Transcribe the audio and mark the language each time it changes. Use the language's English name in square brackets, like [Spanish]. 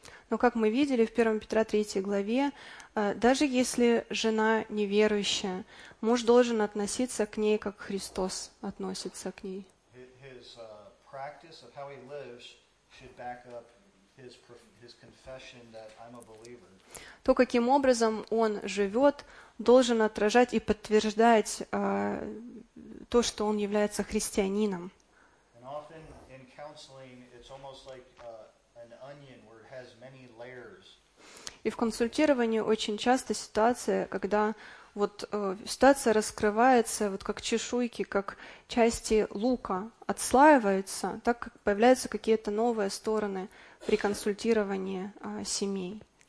[Russian] Но как мы видели в 1 Петра 3 главе, даже если жена неверующая, муж должен относиться к ней, как Христос относится к ней. [English] His practice of how he lives should back up his confession that I'm a believer. [Russian] То, каким образом он живет, должен отражать и подтверждать то, что он является христианином. [English] And often in counseling it's almost like an onion where it has many layers. [Russian] И в консультировании очень часто ситуация, когда вот ситуация раскрывается вот как чешуйки, как части лука отслаиваются, так как появляются какие-то новые стороны при консультировании семей.